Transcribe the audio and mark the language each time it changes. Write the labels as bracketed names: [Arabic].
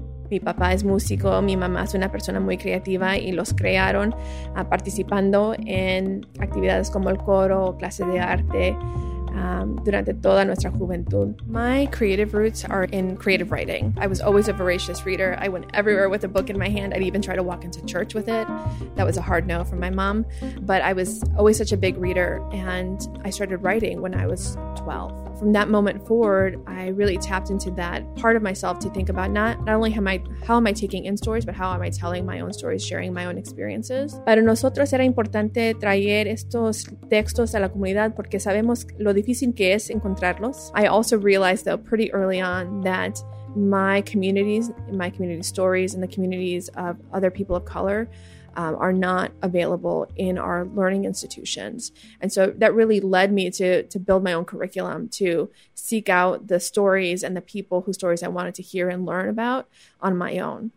[Spanish] Mi papá es músico, mi mamá es una persona muy creativa y los crearon participando en actividades como el coro o clase de arte durante toda nuestra juventud. [English] My creative roots are in creative writing. I was always a voracious reader. I went everywhere with a book in my hand. I'd even try to walk into church with it. That was a hard no from my mom. But I was always such a big reader, and I started writing when I was 12. From that moment forward, I really tapped into that part of myself to think about not only how am I taking in stories, but how am I telling my own stories, sharing my own experiences. [Spanish] Para nosotros era importante traer estos textos a la comunidad porque sabemos lo difícil que es encontrarlos. [English] I also realized, though, pretty early on that my community stories and the communities of other people of color are not available in our learning institutions. And so that really led me to build my own curriculum, to seek out the stories and the people whose stories I wanted to hear and learn about on my own.